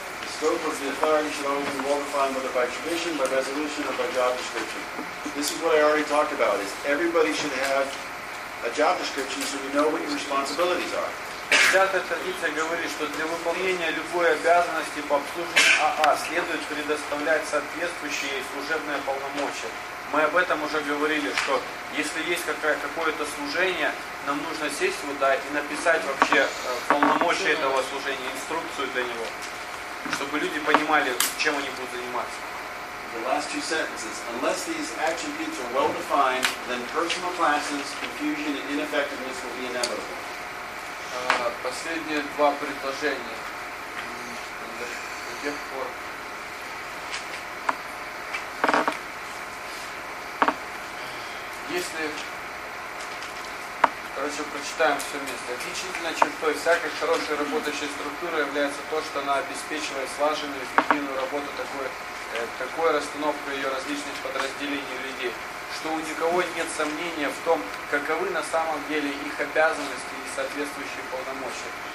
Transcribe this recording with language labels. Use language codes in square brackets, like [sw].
[en] The scope of the authority should always involve defined whether by tradition, by resolution, or by job description. This is what I already talked about, is everybody should have a job description so we know what your responsibilities are. [ru] Пятая традиция говорит, что для выполнения любой обязанности по обслуживанию АА следует предоставлять соответствующие служебные полномочия. Мы об этом уже говорили, что если есть какое-то служение, нам нужно сесть туда и написать вообще полномочия этого служения, инструкцию для него, чтобы люди понимали, чем они будут заниматься. [en] The last two sentences. Unless these attributes are well defined, then personal clashes, confusion, and ineffectiveness will be inevitable. [ru] Последние два предложения. До тех пор. Если, короче, прочитаем все вместе. Отличительной чертой всякой хорошей работающей структуры является то, что она обеспечивает слаженную, эффективную работу такой расстановку ее различных подразделений людей, что у никого нет сомнения в том, каковы на самом деле их обязанности и соответствующие полномочия.